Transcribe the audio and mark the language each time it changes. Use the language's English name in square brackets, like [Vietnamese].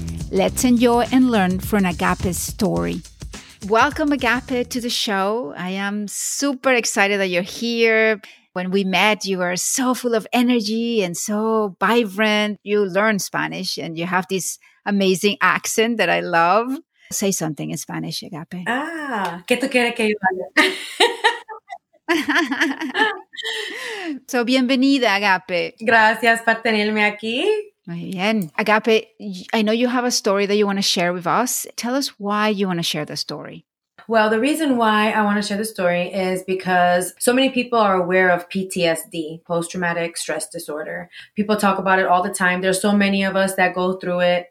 [English] Let's enjoy and learn from Agape's story. Welcome, Agape, to the show. I am super excited that you're here. When we met, you were so full of energy and so vibrant. You learn Spanish and you have this amazing accent that I love. Say something in Spanish, Agape. [Spanish] Ah, ¿qué tú quieres que yo haga? So, bienvenida, Agape. Gracias por tenerme aquí. Muy bien. [English] Agape, I know you have a story that you want to share with us. Tell us why you want to share the story. Well, the reason why I want to share the story is because so many people are aware of PTSD, post-traumatic stress disorder. People talk about it all the time. There's so many of us that go through it.